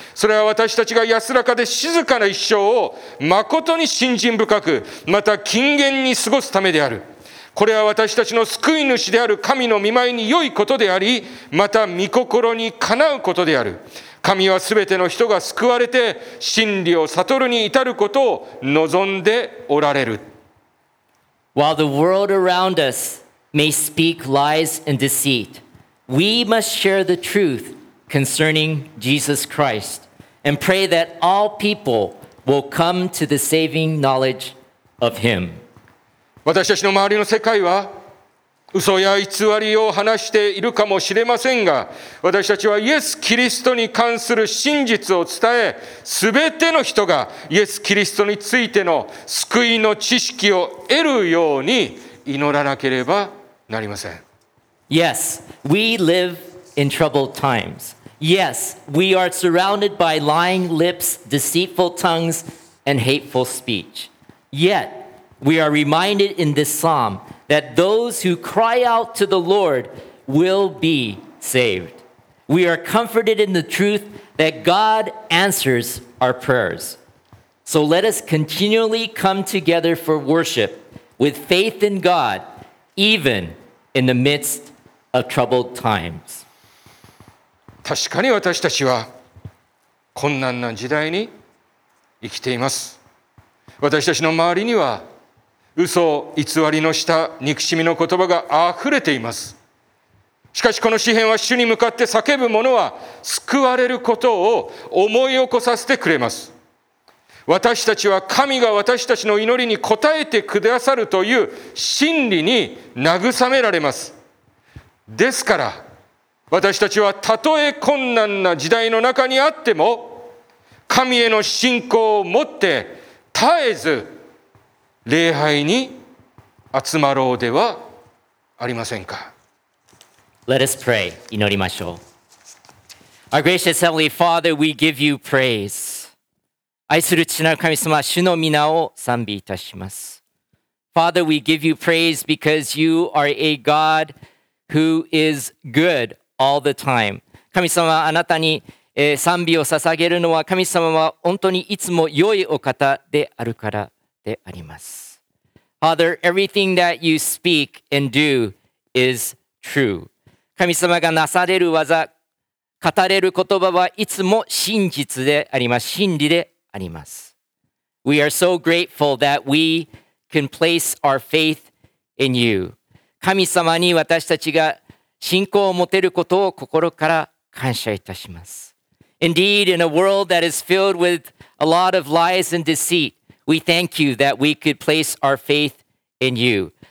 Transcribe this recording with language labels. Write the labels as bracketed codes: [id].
[ja] それは私たちが安らかで静かな一生を誠に信心深く、また謹厳に過ごすためである。これは私たちの救い主である神の御前に良いことであり、また御心にかなうことである。神はすべての人が救われて真理を悟るに至ることを望んでおられる。 [en] While the world around us may speak lies and deceit, We must share the truth concerning Jesus Christ and pray that all people will come to the saving knowledge of him. [ja] 私たちの周りの世界は嘘や偽りを話しているかもしれませんが、私たちはイエス・キリストに関する真実を伝え、すべての人がイエス・キリストについての救いの知識を得るように祈らなければなりません。 [en] Yes, we live in troubled times. Yes, we are surrounded by lying lips, deceitful tongues, and hateful speech. Yet, we are reminded in this psalm that those who cry out to the Lord will be saved. We are comforted in the truth that God answers our prayers. So let us continually come together for worship with faith in God, even in the midst of troubled times. [ja] 確かに私たちは困難な時代に生きています。私たちの周りには嘘偽りのした憎しみの言葉があふれています。しかしこの詩篇は主に向かって叫ぶ者は救われることを思い起こさせてくれます。私たちは神が私たちの祈りに応えてくださるという真理に慰められます。ですから私たちはたとえ困難な時代の中にあっても神への信仰を持って絶えず礼拝に集まろうではありませんか。 [en] Let us pray. [ja] 祈りましょう。 [en] Our gracious Heavenly Father, we give you praise. [ja] 愛する父なる神様、主の御名を賛美いたします。 [en] Father, we give you praise because you are a God who is good all the time. [ja] 神様、あなたに賛美を捧げるのは、神様は本当にいつも良いお方であるからであります。 [en] Father, everything that you speak and do is true. [ja] 神様がなされる技、語れる言葉はいつも真実であります。真理であります。 [en] We are so grateful that we can place our faith in you. [ja] 神様に私たちが信仰を持てることを心から感謝いたします。 [en] Indeed, in a world that is filled with a lot of lies and deceit,We thank you that we could place our faith in you.